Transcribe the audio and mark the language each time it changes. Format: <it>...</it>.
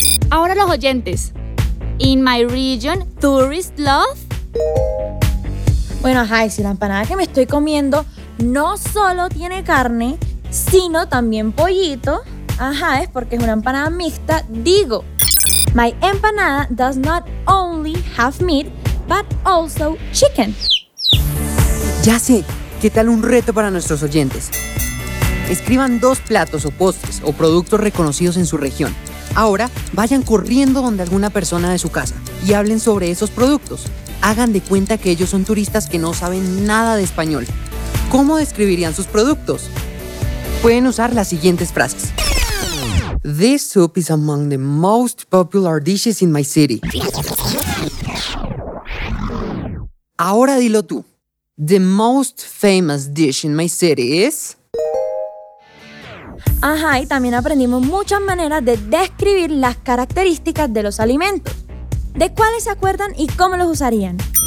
<es>Ahora los oyentes.</es> <en>In my region, tourists love.</en> <es>Bueno, Jai, si la empanada que me estoy comiendo no solo tiene carne, sino también pollito, ajá, es porque es una empanada mixta, digo.</es> <en>My empanada does not only have meat, but also chicken.</en> <es>Ya sé, ¿qué tal un reto para nuestros oyentes? Escriban dos platos o postres o productos reconocidos en su región. Ahora vayan corriendo donde alguna persona de su casa y hablen sobre esos productos. Hagan de cuenta que ellos son turistas que no saben nada de español. ¿Cómo describirían sus productos? Pueden usar las siguientes frases.</es> <en>This soup is among the most popular dishes in my city.</en> <es>Ahora dilo tú.</es> <en>The most famous dish in my city is...</en> <es>Ajá, y también aprendimos muchas maneras de describir las características de los alimentos. ¿De cuáles se acuerdan y cómo los usarían?</es>